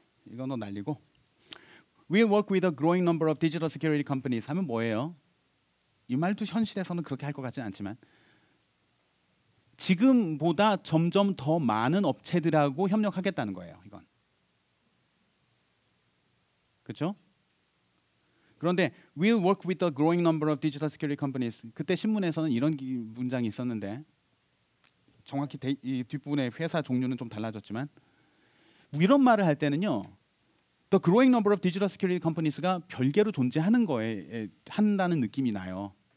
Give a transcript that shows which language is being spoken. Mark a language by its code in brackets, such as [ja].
[ko] 이거는 날리고 [en] We'll work with a growing number of digital security companies [ko] 하면 뭐예요? 이 말도 현실에서는 그렇게 할 것 같지는 않지만 지금보다 점점 더 많은 업체들하고 협력하겠다는 거예요. 이건. 그렇죠? 그런데 [en] we'll work with the growing number of digital security companies. [ko] 그때 신문에서는 이런 문장이 있었는데 정확히 이 뒷부분의 회사 종류는 좀 달라졌지만 이런 말을 할 때는요. [en] The growing number of digital security companies [ko] 가 별개로 존재하는 거에 한다는 느낌이 나요.